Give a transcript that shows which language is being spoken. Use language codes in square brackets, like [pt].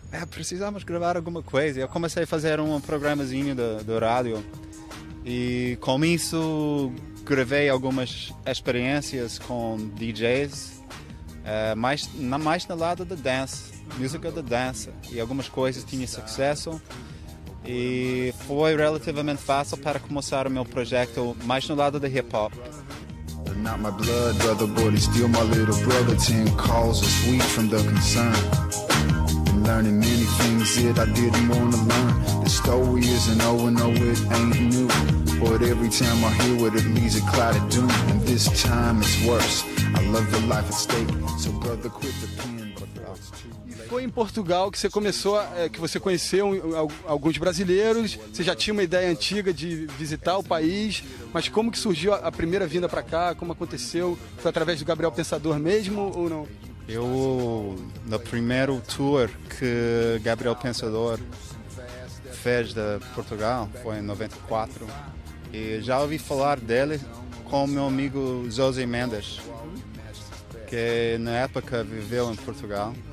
[pt] Precisamos gravar alguma coisa. Eu comecei a fazer um programazinho do rádio e com isso gravei algumas experiências com DJs, mais no lado da dance, música da dança, e algumas coisas tinham sucesso. E foi relativamente fácil para começar o meu projeto mais no lado do hip hop. [en] Not my blood, brother, but it's still my little brother. 10 calls a week from the concern. I'm learning many things that I didn't want to learn. The story isn't over, no, it ain't new. But every time I hear it, it leaves a cloud of doom. And this time it's worse. I love the life at stake, so brother, quit the pen. [pt] Foi em Portugal que você começou, que você conheceu alguns brasileiros, você já tinha uma ideia antiga de visitar o país, mas como que surgiu a primeira vinda para cá, como aconteceu, foi através do Gabriel Pensador mesmo ou não? Eu, no primeiro tour que Gabriel Pensador fez de Portugal, foi em 94, e já ouvi falar dele com meu amigo José Mendes, que na época viveu em Portugal.